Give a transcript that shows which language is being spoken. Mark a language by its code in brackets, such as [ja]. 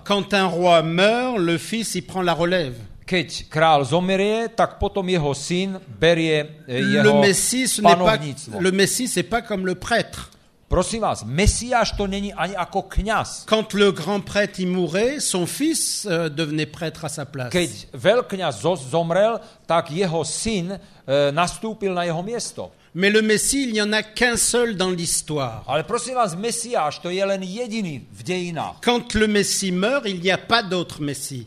[fr] Quand un roi meurt, le fils y prend la relève. [sk] Keď král zomrie, tak potom jeho syn berie jeho panovníctvo. [fr] Le Messie, ce n'est pas comme le prêtre. [sk] Prosím vás, Mesiáš to není ani ako kňaz. [fr] Quand le grand prêtre y mourait, son fils devenait prêtre à sa place. [sk] Keď veľkňaz zomrel, tak jeho syn nastúpil na jeho miesto. [fr] Mais le Messie, il n'y en a qu'un seul dans l'histoire. [sk] Ale prosím vás, Mesiáš to je len jediný v dejinách. [fr] Quand le Messie meurt, il n'y a pas d'autre Messie.